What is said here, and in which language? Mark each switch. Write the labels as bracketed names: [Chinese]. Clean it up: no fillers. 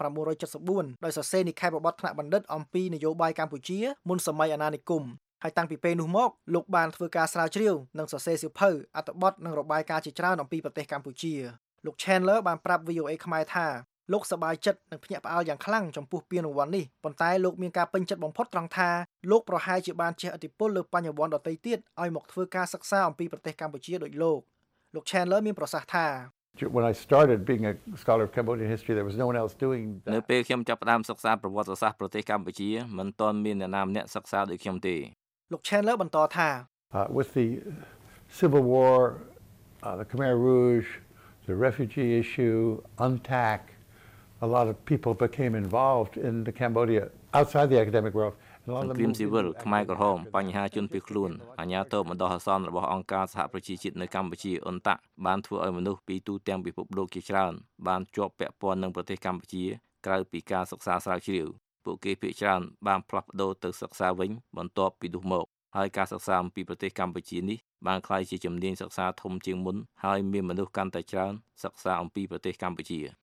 [Khmer] 1974ដោយសរសេរនិក្ខេបបទថ្នាក់បណ្ឌិតអំពីនយោបាយកម្ពុជាមុនសម័យអាណានិគមហើយតាំងពីពេលនោះមកលោកបានធ្វើការស្រាវជ្រាវនិងសរសេរសៀវភៅអត្ថបទនិងរបាយការណ៍ជាច្រើនអំពីប្រទេសកម្ពុជាលោក Chandler បានប្រាប់ VOA ខ្មែរថាលោកសប្បាយចិត្តនឹងភ្ញាក់ផ្អើលយ៉ាងខ្លាំងចំពោះពានរង្វាន់នេះប៉ុន្តែលោកមានការពេញចិត្តបំផុតត្រង់ថាលោកប្រហែលជាបានជះឥទ្ធិពលលើបញ្ញវន្តដទៃទៀតឲ្យមកធ្វើការសិក្សាអំពីប្រទេសកម្ពុជាដូចលោកលោក Chandler មានប្រសាសន៍ថានៅពេលខ្ញុំចាប់ផ្ដើមសិក្សាប្រវត្តិសាស្ត្រប្រទេសកម្ពុជាមិនទាន់មានអ្នកណាម្នាក់សិក្សាដូចខ្ញុំទេ លោក Chandler បន្តថា [English] With the Civil War the Khmer Rouge the refugee issue UNTAC a lot of people became involved in the Cambodia outside the academic world and a lot of them civil [Khmer] ខ្មែរក្រហមបញ្ហាជនភៀសខ្លួនអាញាធិបតេយ្យបដិសអសនរបស់អង្គការសហប្រជាជាតិនៅកម្ពុជាអន្តៈបានធ្វើឲ្យមនុស្សពីទូទាំងពិភពលោកជាច្រើនបានជាប់ពាក់ព័ន្ធនឹងប្រទេសកម្ពុជាក្រៅពីការសិក្សាស្រាវជ្រាវពួកគេភាគច្រើនបានផ្លាស់ប្ដូរទៅសិក្សាវិញបន្ទាប់ពីនោះមកហើយការសិក្សាអំពីប្រទេសកម្ពុជានេះបានក្លាយជាជំនាញសិក្សាធំជាងមុនហើយមានមនុស្សកាន់តែច្រើនសិក្សាអំពីប្រទេសកម្ពុជា